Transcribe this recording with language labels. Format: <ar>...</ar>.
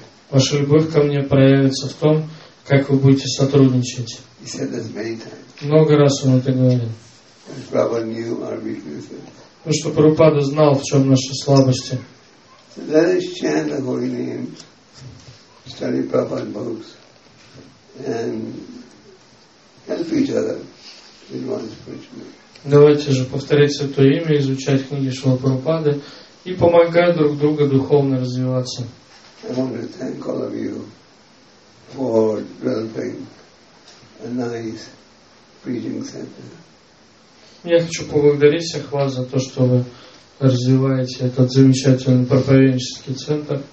<ru>Ваша любовь ко мне проявится в том, как вы будете сотрудничать.</ru> <en>He said this many times.</en> <ru>Много раз он это говорил. Потому что Прабхупада знал, в чем наши слабости.</ru> <en>Let us chant the holy names, study Prabhupada's books, and help each other in one's spiritual.</en> <ru>Давайте же повторять святое имя, изучать книги Шрилы Прабхупады и помогать друг другу духовно развиваться.</ru> <en>I want to thank all of you for developing a nice preaching center.</en> <ru>Я хочу поблагодарить всех вас за то, что вы развиваете этот замечательный проповеднический центр.</ru>